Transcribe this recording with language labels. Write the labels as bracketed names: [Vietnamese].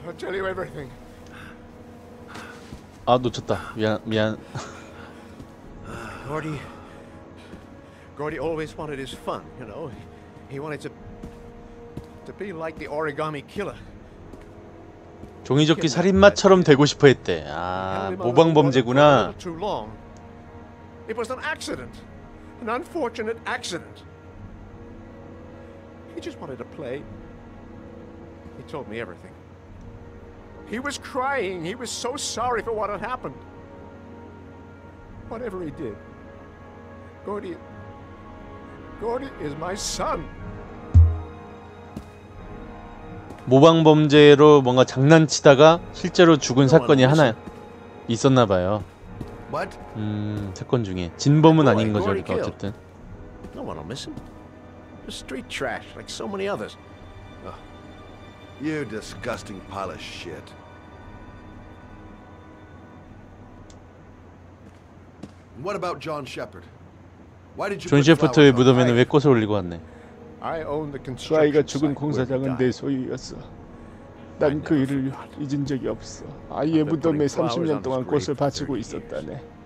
[English] I'll tell you everything. [Korean] 아 놓쳤다. 미안. [English] Gordy always wanted his fun, you know. He wanted to be like the origami killer. [Korean] 종이접기 살인마처럼 되고 싶어 했대. 아, 모방 범죄구나. [English] It was an accident. An unfortunate accident. He just wanted to play. He told me everything. He was crying. He was so sorry for what had happened. Whatever he did. Gordy is my son. [Korean] 모방 범죄로 뭔가 장난치다가 실제로 죽은 사건이 하나 있었나 봐요. 사건 중에 진범은 아닌 거죠, 그러니까 어쨌든. [English] No one will miss him. The street trash like so many others. You disgusting pile of shit. What about John Shepherd? Why did you? [Korean] 존 셰퍼드의 무덤에는 왜 꽃을 올리고 왔네? [English] I own the construction. [Korean] 그 아이가 죽은 공사장은 내 소유였어. 난 그 일을 잊은 적이 없어. 아이의 무덤에 30년 동안 꽃을 바치고 있었다네.